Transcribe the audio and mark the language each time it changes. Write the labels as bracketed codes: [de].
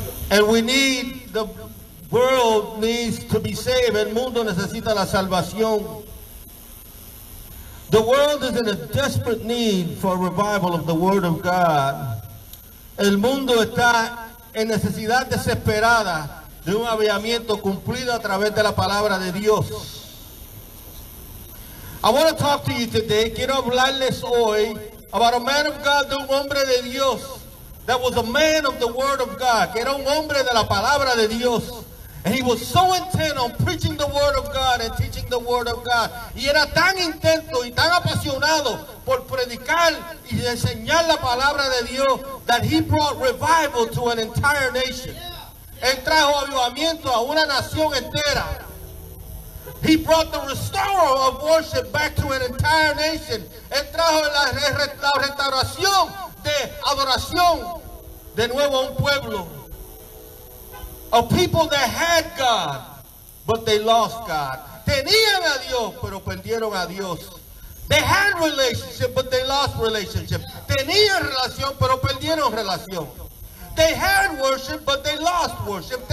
[en] And we need, the world needs to be saved. [es] El mundo necesita la salvación. [en] The world is in a desperate need for a revival of the Word of God. [es] El mundo está en necesidad desesperada de un avivamiento cumplido a través de la palabra de Dios. [en] I want to talk to you today. [es] Quiero hablarles hoy [en] about a man of God, [es] de un hombre de Dios, [en] that was a man of the Word of God, [es] que era un hombre de la palabra de Dios. [en] And he was so intent on preaching the word of God and teaching the word of God. [es] Y era tan intento y tan apasionado por predicar y enseñar la palabra de Dios [en] that he brought revival to an entire nation. [es] Él trajo avivamiento a una nación entera. [en] He brought the restorer of worship back to an entire nation. [es] Él trajo la restauración de adoración de nuevo a un pueblo. [en] A people that had God, but they lost God. [es] Tenían a Dios, pero perdieron a Dios. [en] They had relationship, but they lost relationship. [es] Tenían relación, pero perdieron relación. [en] They had worship, but they lost worship.